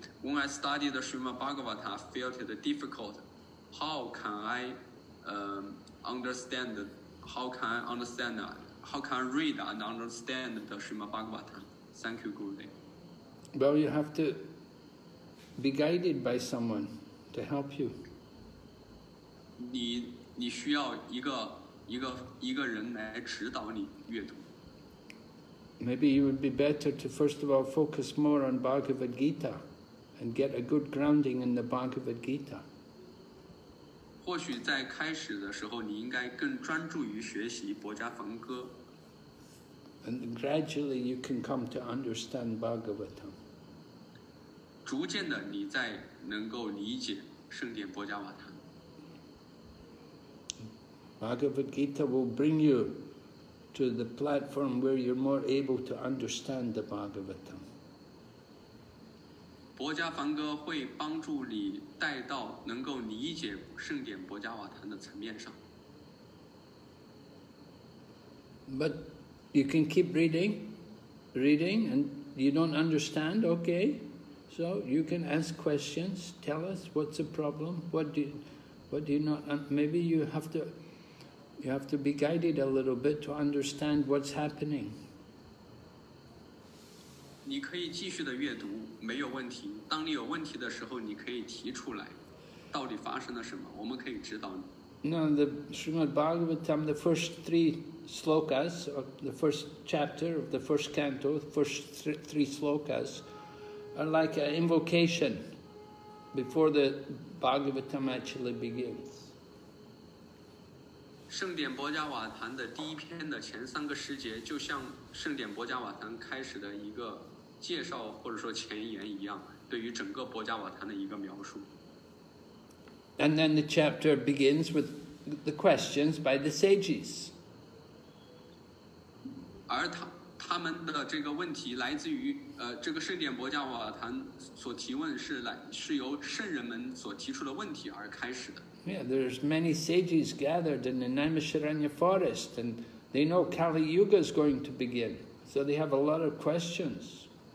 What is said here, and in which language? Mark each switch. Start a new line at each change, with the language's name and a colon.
English: When I studied the Srimad Bhagavatam, I felt it difficult. How can I understand how can I understand that? How can I read and understand the Srimad Bhagavatam? Thank you, Gurudev. Well, you have to be guided by someone to help you.
Chinese: 你需要一个人来指导你阅读。
English: Maybe it would be better to first of all focus more on Bhagavad Gita and get a good grounding in the Bhagavad Gita.
Chinese: 或许在开始的时候你应该更专注于学习《博伽梵歌》。
English: And gradually you can come to understand Bhagavatam.
Chinese: 逐渐的你再能够理解圣典《博伽梵歌》。
English: Bhagavad Gita will bring you to the platform where you're more able to understand the Bhagavatam.
Chinese: 博迦梵歌会帮助你带到能够理解圣典博迦瓦坛的层面上。
English: But you can keep reading, and you don't understand, okay? So you can ask questions, tell us what's the problem, what do you not, maybe you have to be guided a little bit to understand what's happening.
Chinese: 你可以继续的阅读，没有问题。当你有问题的时候，你可以提出来，到底发生了什么？我们可以指导你。
English: Now the Srimad Bhagavatam, the first three slokas, the first chapter of the first canto, first three slokas, are like an invocation before the Bhagavatam actually begins.
Chinese: 圣典博迦瓦坛的第一篇的前三个诗节就像圣典博迦瓦坛开始的一个介绍或者说前言一样对于整个博迦瓦坛的一个描述。
English: And then the chapter begins with the questions by the sages.
Chinese: 而 他们的这个问题来自于这个圣典博迦瓦坛所提问是由圣人们所提出的问题而开始的。
English: Yeah, there's many sages gathered in the Naimisharanya forest, and they know Kali Yuga is going to begin, so they have a lot of questions.